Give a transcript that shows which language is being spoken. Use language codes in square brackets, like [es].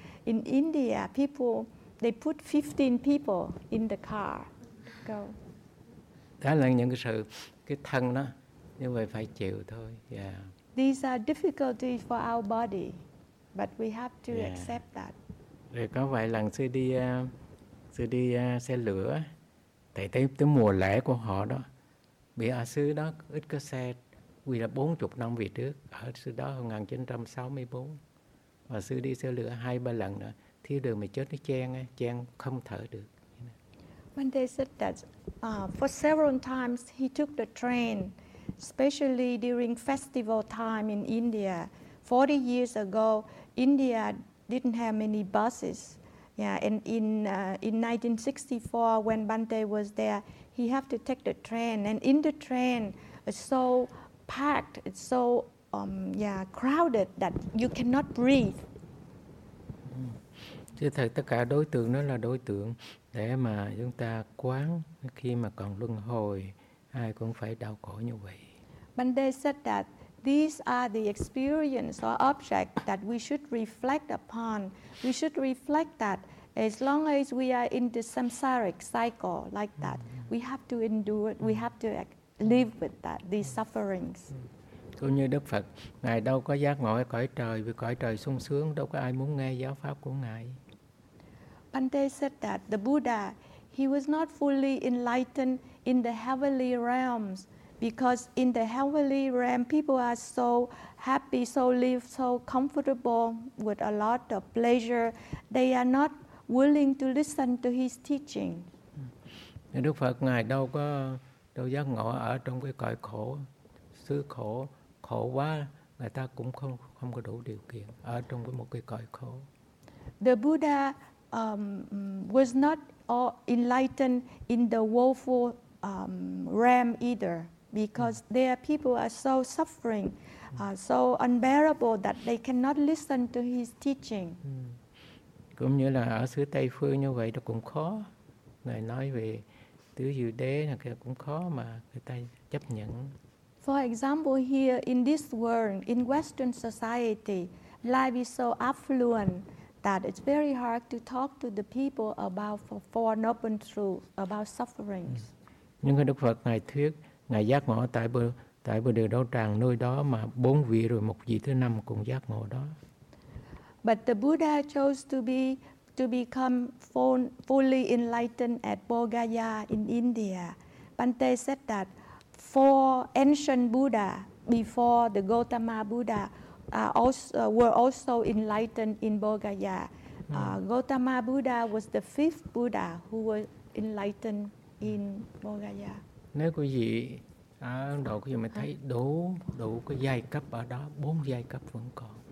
[en] In India, people, they put 15 people in the car. Go. [vi] Đó là những cái sự cái thân đó, như vậy phải chịu thôi. Yeah. [en] These are difficulties for our body, but we have to accept that. [vi] Rồi có vài lần sư đi xe lửa, tại tới mùa lễ của họ đó, bị ở xứ đó ít có xe, vì là 40 năm về trước ở xứ đó 1964, và sư đi xe lửa 2-3 lần nữa. Thiếu đường mà chết nó chen không thở được. [en] Bhante said that for several times he took the train, especially during festival time in India. 40 years ago, India didn't have many buses. Yeah, and in 1964 when Bhante was there, he had to take the train. And in the train, it's so packed, it's so crowded that you cannot breathe. [vi] Chứ thật tất cả đối tượng đó là đối tượng để mà chúng ta quán khi mà còn luân hồi, ai cũng phải đau khổ như vậy. [en] But they said that these are the experience or object that we should reflect upon. We should reflect that as long as we are in the samsaric cycle like that, we have to endure it, we have to live with that, these sufferings. [vi] Cũng như Đức Phật, Ngài đâu có giác ngộ cõi trời, vì cõi trời sung sướng, đâu có ai muốn nghe giáo pháp của Ngài. [en] Bhante said that the Buddha, he was not fully enlightened in the heavenly realms, because in the heavenly realm, people are so happy, so live, so comfortable with a lot of pleasure, they are not willing to listen to his teaching. [vi] Đức Phật, Ngài đâu giác ngộ ở trong cái cõi khổ, xứ khổ, khổ quá, người ta cũng không có đủ điều kiện ở trong cái một cái cõi khổ. [en] The Buddha was not all enlightened in the woeful realm either, because their people are so suffering, so unbearable that they cannot listen to his teaching. [vi] Cũng như là ở xứ Tây Phương như vậy, nó cũng khó. Ngài nói về tứ diệu đế là cái cũng khó mà người ta chấp nhận. [en] For example, here in this world, in Western society, life is so affluent that it's very hard to talk to the people about four noble truths, about sufferings. [vi] Nhưng Đức Phật Ngài thuyết, Ngài giác ngộ tại Bồ Đề Đậu Tràng nơi đó mà bốn vị rồi một vị thứ năm cũng giác ngộ đó. [en] But the Buddha chose to become fully enlightened at Bodh Gaya in India. Bhante said that four ancient Buddha before the Gautama Buddha were also enlightened in Bodh Gaya. Gautama Buddha was the fifth Buddha who was enlightened in Bodh Gaya. [vi] Nếu quý vị ở Ấn Độ, quý vị mới thấy đủ cái giai cấp ở đó, bốn giai cấp vẫn còn.